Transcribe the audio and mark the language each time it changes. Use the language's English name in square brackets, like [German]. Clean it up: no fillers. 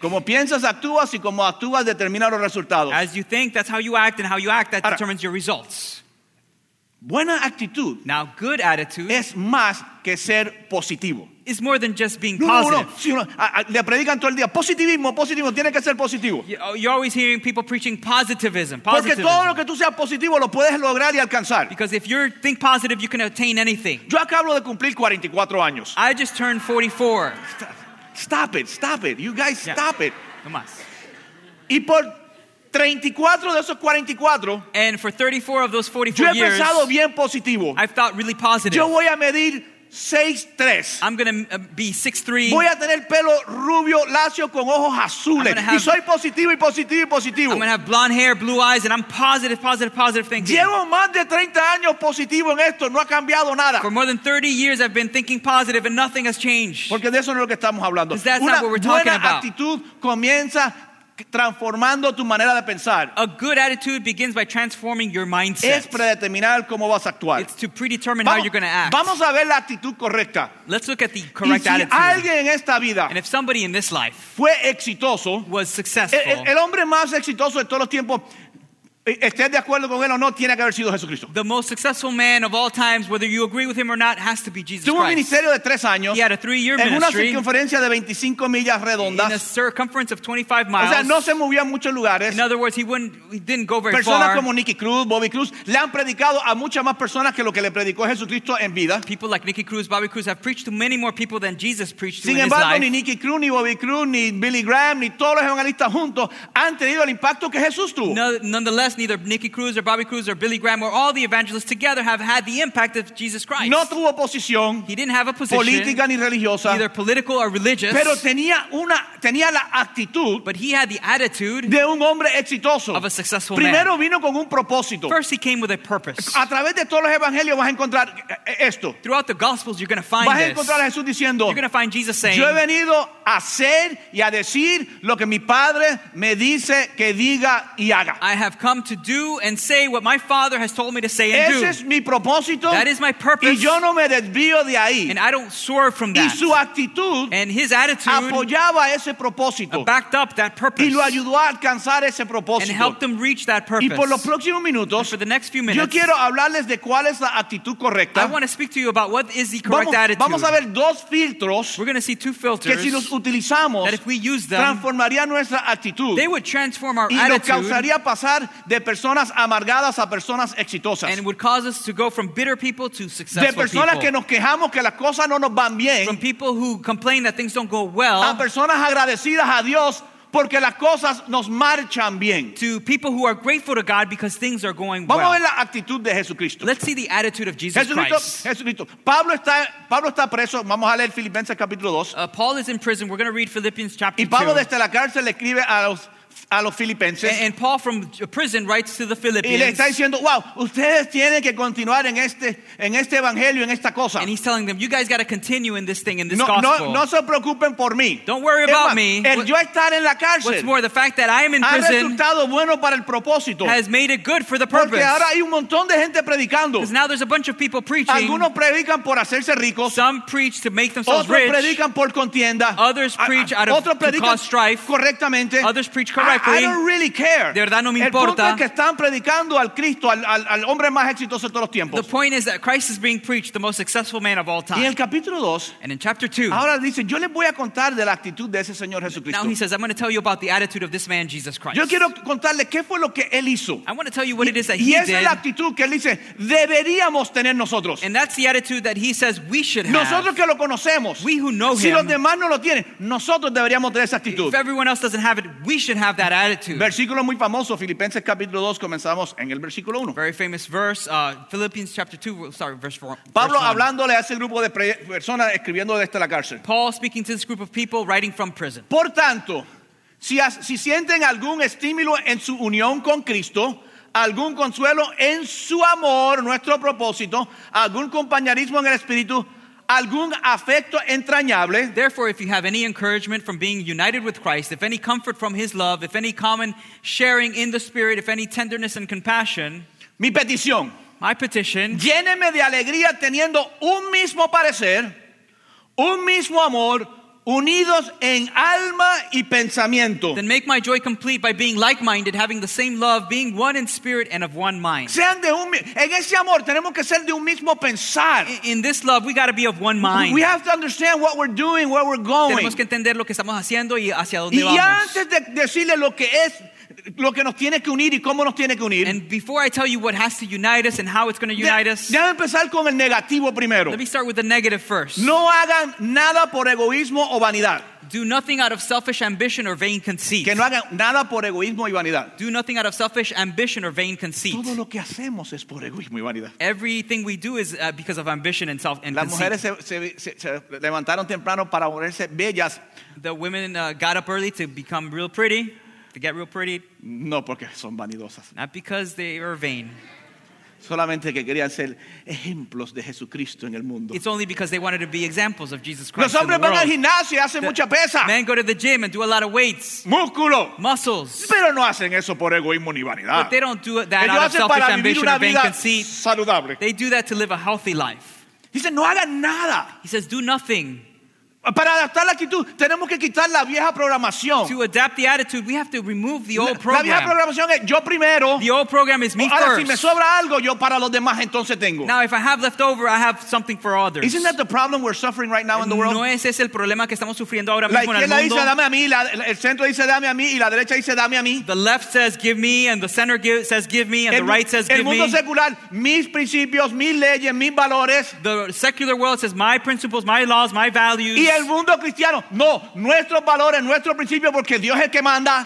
[Spanish] Como piensas, actúas, y como actúas, determina los resultados. [English] As you think, that's how you act, and how you act, that determines your results. [Spanish] Buena actitud. [English] Now, good attitude [Spanish] es más que ser positivo. [English] Is more than just being positive. You're always hearing people preaching positivism. [Spanish] Porque todo lo que tú seas positivo lo puedes lograr y alcanzar. [English] Because if you think positive, you can attain anything. [Spanish] Yo acabo de cumplir 44 años. [English] I just turned 44. Stop it. You guys, yeah. Stop it. [Spanish] No más. Y por 34 de esos 44, [English] and for 34 of those 44 [Spanish] yo he pensado [English] years, [Spanish] bien positivo. [English] I've thought really positive. [Spanish] Yo voy a medir 6'3. [English] I'm gonna be 6'3. [Spanish] Voy a tener pelo rubio lacio con ojos azules. [English] I'm have, [Spanish] y soy positivo y positivo y positivo. [English] I'm gonna have blonde hair, blue eyes, and I'm positive thinking. [Spanish] Llevo más de 30 años positivo en esto, no ha cambiado nada. [English] For more than 30 years I've been thinking positive and nothing has changed. [Spanish] Porque de eso no es lo que estamos hablando. [English] Because that's [Spanish] una [English] not what we're talking [Spanish] buena [English] about. [Spanish] Actitud comienza transformando tu manera de pensar. [English] A good attitude begins by transforming your mindset. [Spanish] Es predeterminar cómo vas a actuar. [English] It's to predetermine how you're going to act. [Spanish] Vamos a ver la actitud correcta. [English] Let's look at the correct [Spanish] y si [English] attitude. [Spanish] Alguien en esta vida, [English] and if somebody in this life [Spanish] fue exitoso, [English] was successful, [Spanish] el hombre más exitoso de todos los tiempos, estés de acuerdo con él o no, tiene que haber sido Jesucristo. [English] The most successful man of all times, whether you agree with him or not, has to be Jesus Christ. [Spanish] Tuvo un ministerio de 3 años. [English] He had a 3-year ministry. [Spanish] En una circunferencia de 25 millas redondas. [English] In a circumference of 25 miles. [Spanish] O sea, no se movía en muchos lugares. [English] In other words, he didn't go very [Spanish] personas [English] far. [Spanish] Personas como Nicky Cruz, Bobby Cruz, le han predicado a muchas más personas que lo que le predicó Jesucristo en vida. [English] People like Nicky Cruz, Bobby Cruz have preached to many more people than Jesus preached [Spanish] sin [English] to [Spanish] embargo, [English] in his life. [Spanish] Sin embargo, ni Nicky Cruz, ni Bobby Cruz, ni Billy Graham, ni todos los evangelistas juntos han tenido el impacto que Jesús tuvo. [English] Nonetheless, neither Nicky Cruz or Bobby Cruz or Billy Graham or all the evangelists together have had the impact of Jesus Christ. [Spanish] No tuvo posición, [English] he didn't have a position, [Spanish] política ni religiosa, [English] neither political or religious, [Spanish] pero tenía la actitud, [English] but he had the attitude [Spanish] de un hombre exitoso, [English] of a successful [Spanish] primero [English] man. [Spanish] Vino con un propósito. [English] First he came with a purpose. [Spanish] A través de todos los evangelios vas a encontrar esto. [English] Throughout the gospels you're going to find [Spanish] vas a encontrar [English] this. [Spanish] A Jesús diciendo, [English] you're going to find Jesus saying, [Spanish] yo he venido a hacer y a decir lo que mi padre me dice que diga y haga. [English] I have come to do and say what my father has told me to say and [Spanish] ese [English] do. [Spanish] Es mi propósito, [English] that is my purpose. [Spanish] Y yo no me desvío de ahí. [English] And I don't swerve from that. [Spanish] Y su actitud [English] and his attitude [Spanish] apoyaba ese propósito. [English] Backed up that purpose. [Spanish] Y lo ayudó a alcanzar ese propósito. [English] And helped him reach that purpose. [Spanish] Y por los próximos minutos, [English] for the next few minutes, [Spanish] yo quiero hablarles de cuál es la actitud correcta. [English] I want to speak to you about what is the correct attitude. [Spanish] Vamos a ver dos filtros, [English] we're going to see two filters [Spanish] que si los utilizamos, [English] that if we use them, [Spanish] transformaría nuestra actitud. [English] They would transform our [Spanish] y [English] attitude. [Spanish] Y nos causaría pasar de personas amargadas a personas exitosas. [English] And it would cause us to go from bitter people to successful people. [Spanish] De personas que nos quejamos que las cosas no nos van bien. [English] From people who complain that things don't go well. [Spanish] A personas agradecidas a Dios porque las cosas nos marchan bien. [English] To people who are grateful to God because things are going well. [Spanish] Vamos a ver la actitud de Jesucristo. [English] Let's see the attitude of Jesus [Spanish] Jesucristo, [English] Christ. [Spanish] Jesucristo. Pablo está preso. Vamos a leer Filipenses capítulo 2. [English] Paul is in prison. We're going to read Philippians chapter 2. [Spanish] Y Pablo desde la cárcel le escribe a los filipenses. [English] And Paul from prison writes to the Philippians. [Spanish] Y le está diciendo, wow, ustedes tienen que continuar en este evangelio, en esta cosa. [English] And he's telling them, you guys got to continue in this thing, in this [Spanish] no, [English] gospel. [Spanish] No se preocupen por mí. [English] Don't worry about me. [Spanish] El yo estar en la cárcel, [English] what's more, the fact that I am in [Spanish] ha [English] prison [Spanish] resultado bueno para el propósito, [English] has made it good for the purpose. [Spanish] Porque ahora hay un montón de gente predicando. [English] Because now there's a bunch of people preaching. [Spanish] Algunos predican por hacerse ricos. [English] Some preach to make themselves [Spanish] otros [English] rich. [Spanish] Otros predican por contienda. [English] Others preach to cause strife. [Spanish] Correctamente. [English] Others preach correctly. I don't really care. [Spanish] De verdad no me el importa. Punto es que están predicando al Cristo, al hombre más exitoso de todos los tiempos. [English] The point is that Christ is being preached, the most successful man of all time. [Spanish] Y en el capítulo 2, [English] and in chapter 2, [Spanish] ahora dice, yo les voy a contar de la actitud de ese Señor Jesucristo. [English] Now he says, I'm going to tell you about the attitude of this man, Jesus Christ. [Spanish] Yo quiero contarle qué fue lo que él hizo. [English] I want to tell you what [Spanish] y, [English] it is that [Spanish] y [English] he [Spanish] esa [English] did. [Spanish] Es la actitud que él dice, deberíamos tener nosotros. [English] And that's the attitude that he says we should have. [Spanish] Nosotros que lo conocemos. [English] We who know [Spanish] si [English] him. [Spanish] Si los demás no lo tienen, nosotros deberíamos tener esa actitud. [English] If everyone else doesn't have it, we should have have that attitude. [Spanish] Versículo muy famoso, Filipenses capítulo 2, comenzamos en el versículo 1. [English] Very famous verse, Philippians chapter 2, we'll start with verse 4. [Spanish] Pablo [English] verse [Spanish] hablándole a ese grupo de personas escribiendo desde la cárcel. [English] Paul speaking to this group of people writing from prison. [Spanish] Por tanto, si sienten algún estímulo en su unión con Cristo, algún consuelo en su amor, nuestro propósito, algún compañerismo en el espíritu, algún afecto entrañable. [English] Therefore, if you have any encouragement from being united with Christ, if any comfort from his love, if any common sharing in the spirit, if any tenderness and compassion. [Spanish] Mi petición. [English] My petition. [Spanish] Lléneme de alegría teniendo un mismo parecer, un mismo amor, unidos en alma y pensamiento. [English] Then make my joy complete by being like-minded, having the same love, being one in spirit and of one mind. [Spanish] Sean de un, en ese amor tenemos que ser de un mismo pensar. [English] In this love, we got to be of one mind. We have to understand what we're doing, where we're going. [Spanish] Tenemos que entender lo que estamos haciendo y hacia dónde vamos. Y antes de decirle lo que es, lo que nos tiene que unir y cómo nos tiene que unir. [English] And before I tell you what has to unite us and how it's going to unite us. [Spanish] Ya empezar con el negativo primero. [English] Let me start with the negative first. [Spanish] No hagan nada por egoísmo o vanidad. [English] Do nothing out of selfish ambition or vain conceit. [Spanish] Que no hagan nada por egoísmo y vanidad. [English] Do nothing out of selfish ambition or vain conceit. [Spanish] Todo lo que hacemos es por egoísmo y vanidad. [English] Everything we do is because of ambition and self and [Spanish] las [English] conceit. [Spanish] Mujeres se levantaron temprano para volverse bellas. [English] The women got up early to become real pretty. To get real pretty. [Spanish] No, porque son vanidosas. [English] Not because they are vain. [Spanish] Solamente que querían ser ejemplos de Jesucristo en el mundo. [English] It's only because they wanted to be examples of Jesus Christ. [Spanish] Los hombres [English] in the [Spanish] van [English] world. [Spanish] Al gimnasio y hacen mucha pesa. [English] Men go to the gym and do a lot of weights. [Spanish] Músculo. [English] Muscles. [Spanish] Pero no hacen eso por egoísmo ni vanidad. [English] But they don't do that out of selfish ambition or vain conceit. [Spanish] Saludable. [English] They do that to live a healthy life. He said, [Spanish] no hagan nada. [English] He says, do nothing. [Spanish] Para adaptar la actitud, tenemos que quitar la vieja programación. [English] To adapt the attitude, we have to remove the old program. [Spanish] La vieja programación es yo primero. [English] The old program is me [Spanish] ahora, [English] first. [Spanish] Si me sobra algo, yo para los demás entonces tengo. [English] Now, if I have left over, I have something for others. Isn't that the problem we're suffering right now in the world? [Spanish] No es ese el problema que estamos sufriendo ahora la mismo en el mundo. La izquierda dice dame a mí, el centro dice dame a mí y la derecha dice dame a mí. [English] The left says give me and the center says give me and the right says give me. [Spanish] El mundo secular, mis principios, mis leyes, mis valores. [English] The secular world says my principles, my laws, my values. [Spanish] El mundo cristiano, no, nuestros valores, nuestros principios, porque Dios es el que manda.